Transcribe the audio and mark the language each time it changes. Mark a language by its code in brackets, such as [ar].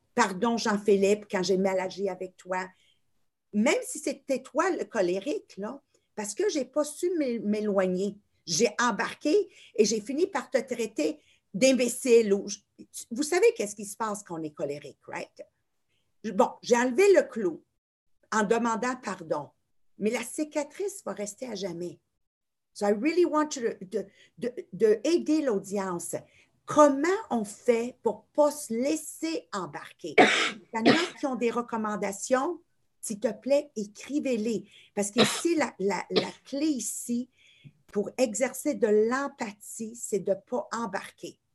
[fr] Pardon, Jean-Philippe, quand j'ai mal agi avec toi. Même si c'était toi le colérique, là, parce que je n'ai pas su m'éloigner. J'ai embarqué et j'ai fini par te traiter d'imbécile. Vous savez qu'est-ce qui se passe quand on est colérique, right? Bon, j'ai enlevé le clou en demandant pardon, mais la cicatrice va rester à jamais. [en] So I really want you to [fr] aider l'audience. Comment on fait pour ne pas se laisser embarquer? Il y en a qui ont des recommandations, s'il te plaît, écrivez-les. Parce que ici, la clé ici pour exercer de l'empathie, c'est de ne pas embarquer.